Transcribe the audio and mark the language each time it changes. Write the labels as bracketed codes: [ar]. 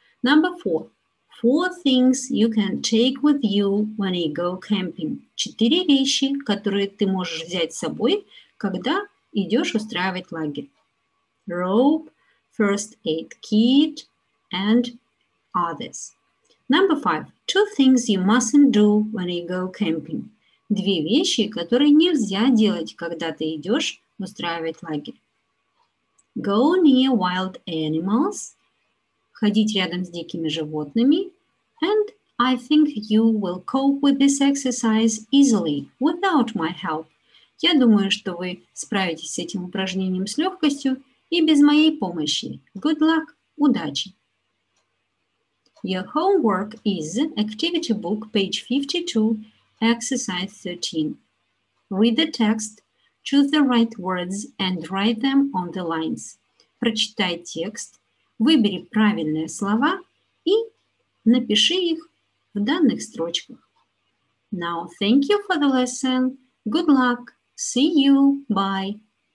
[en] Number 4, 4 things you can take with you when you go camping. [ru] 4 вещи, которые ты можешь взять с собой, когда идешь устраивать лагерь. [en] Rope, first aid kit and others. Number 5, 2 things you mustn't do when you go camping. [ru] 2 вещи, которые нельзя делать, когда ты идешь устраивать лагерь. [en] Go near wild animals. [ru] Ходить рядом с дикими животными. [en] And I think you will cope with this exercise easily, without my help. [ru] Я думаю, что вы справитесь с этим упражнением с легкостью и без моей помощи. [en] Good luck, [ru] удачи! [en] Your homework is activity book, page 52, Exercise 13. Read the text, choose the right words and write them on the lines. [ru] Прочитай текст, выбери правильные слова и напиши их в данных строчках. [en] Now, thank you for the lesson. Good luck. See you. Bye.